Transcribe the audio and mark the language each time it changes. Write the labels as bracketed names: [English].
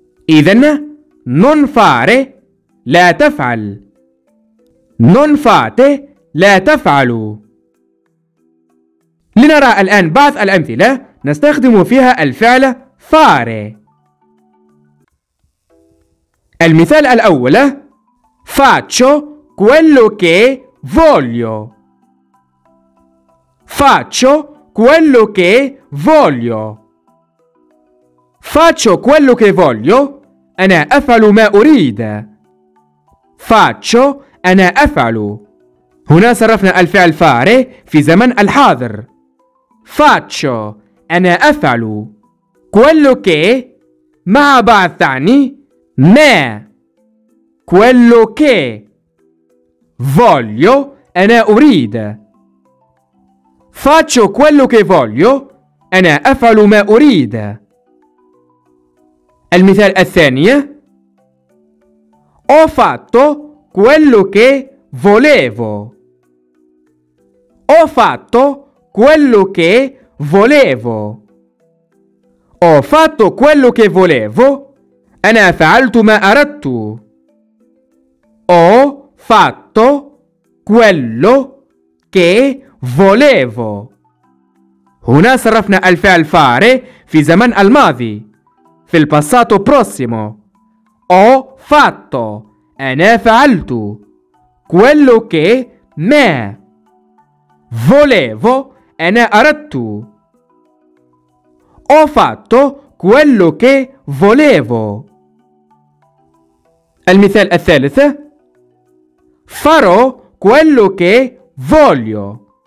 [Arabic] إذن [Italian] non fare [Arabic] لا تفعل. [Italian] Non fate [Arabic] لا تفعلوا. لنرى الآن بعض الأمثلة نستخدم فيها الفعل fare. المثال الأول: [Italian] faccio quello che voglio. Faccio quello che voglio. Faccio quello che voglio. [Arabic] أنا أفعل ما أريد. Faccio أنا أفعل. هنا صرفنا الفعل fare في زمن الحاضر. Faccio أنا أفعل. [Italian] Quello che [Arabic] مع بعض تعني ما. [Italian] Quello che voglio [Arabic] أنا أريد. [Italian] Faccio quello che voglio [Arabic] أنا أفعل ما أريد. المثال الثاني: [Italian] Ho fatto quello che volevo. Ho fatto quello che volevo. Ho fatto quello che volevo. [Arabic] أنا فعلت ما أردت. [Italian] Ho fatto quello che volevo. [Arabic] هنا صرفنا الفعل fare في زمن الماضي في الباساتو بروسيمو. [Italian] Ho fatto [Arabic] أنا فعلت. [Italian] Quello che me. [Arabic] Volevo أنا أردت. [Italian] Ho fatto quello che volevo. [Arabic] المثال الثالث: [Italian] Farò quello che voglio.